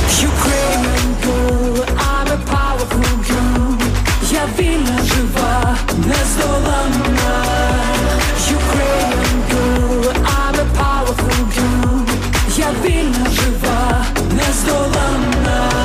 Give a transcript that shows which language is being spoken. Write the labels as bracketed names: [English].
[English] Ukrainian girl, I'm a powerful girl. [Ukrainian] Я вільна, жива, нездоланна. [English] Ukrainian girl, I'm a powerful girl. [Ukrainian] Я вільна, жива, нездоланна.